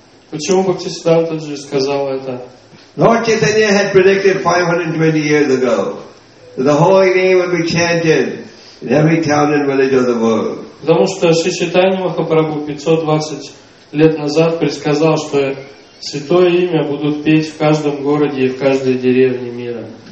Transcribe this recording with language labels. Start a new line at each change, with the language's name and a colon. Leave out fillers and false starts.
Russian: Почему Бхактисиддханта Джи сказал это?
English: Lord Chaitanya had predicted 520 years ago that the holy name would be chanted in every town and village of the world.
Russian: Потому что Шри Чайтанья Махапрабху 520 лет назад предсказал, что святое имя будут петь в каждом городе и в каждой деревне мира.